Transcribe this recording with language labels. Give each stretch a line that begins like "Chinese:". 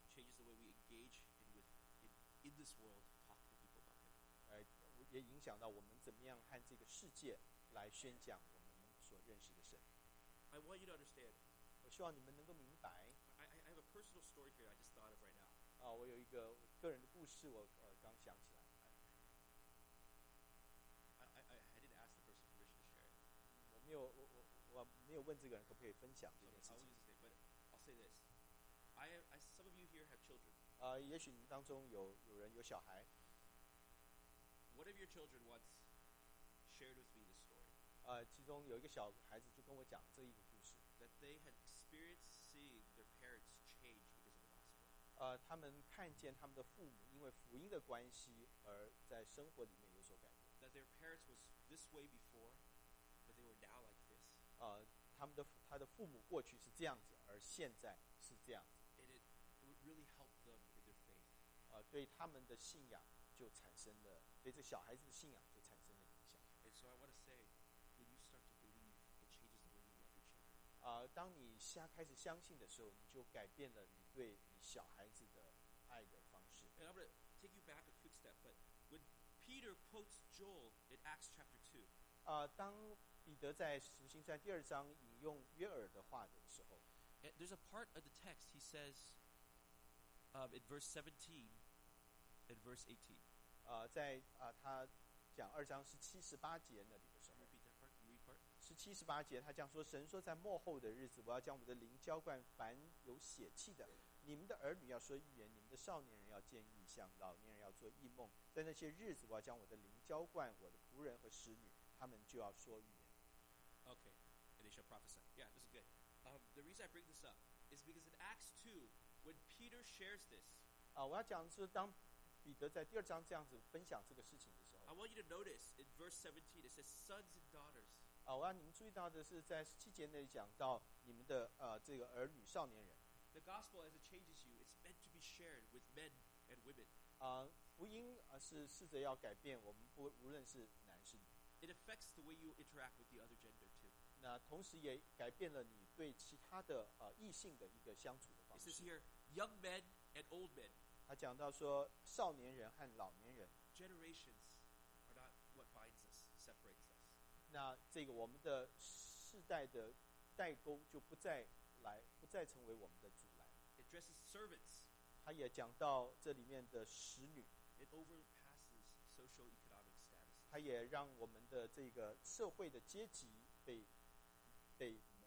English: It changes the way we engage in this world, talk to people about it.
Chinese: 也影响到我们怎么样和这个世界来宣讲我们所认识的神。
English: I want you to understand.
Chinese: 我希望你们能够明白。
English: I have a personal story here. I just thought of right now.
Chinese: 啊，我有一个个人的故事，我刚想起来。
English: I didn't ask the person permission to share.
Chinese: 我没有问这个人可不可以分享这件事情。
English: Okay, but I'll say this. I some of you here have children.
Chinese: 也许你们当中有人有小孩。
English: One of your children once shared with me this story.
Chinese: 其中有一个小孩子就跟我讲这一个故事。
English: That they had experienced seeing their parents change because of the gospel.
Chinese: 他们看见他们的父母因为福音的关系而在生活里面有所改变。
English: That their parents was this way before, but they were now like this.
Chinese: 他的父母过去是这样子，而现在是这样子。
English: And it really helped them in their faith.
Chinese: 对他们的信仰就产生了。对这小孩子的信仰就产生了影响。
English: And so I want to say, when you start to believe, it changes the way you love your children.
Chinese: 当你开始相信的时候，你就改变了你对你小孩子的爱的方式。
English: And I'm going to take you back a quick step, but when Peter quotes Joel in Acts chapter 2,
Chinese: 当彼得在使徒行传第二章引用约珥的话的时候，
English: there's a part of the text he says, in verse 17, and verse 18.
Chinese: 在他讲二章十七十八节那里的时候，十七十八节他讲说，神说在末后的日子，我要将我的灵浇灌凡有血气的，你们的儿女要说预言，你们的少年人要见异象，老年人要做异梦，在那些日子，我要将我的灵浇灌我的仆人和使女，他们就要说预言。
English: Okay, and they shall prophesy. Yeah, this is good. The reason I bring this up is because in Acts 2, when Peter shares this,
Chinese: 我要讲的是当彼得在第二章这样子分享这个事情的时候，
English: I want you to notice in verse 17 it says sons and daughters.
Chinese: 我让你们注意到的是在十七节那里讲到你们的这个儿女少年人。
English: The gospel as it changes you, it's meant to be shared with men and women.
Chinese: 福音是试着要改变我们无论是男是女。
English: It affects the way you interact with the other gender too.
Chinese: 那同时也改变了你对其他的异性的一个相处的方式。
English: It says here young men and old men.
Chinese: 他讲到说少年人和老年人
English: generations are not what binds us, separates us.
Chinese: 那这个我们的世代的代沟就不再成为我们的阻拦。
English: It addresses servants.
Chinese: 他也讲到这里面的使女
English: It overpasses social economic status.
Chinese: 他也让我们的这个社会的阶级被移开。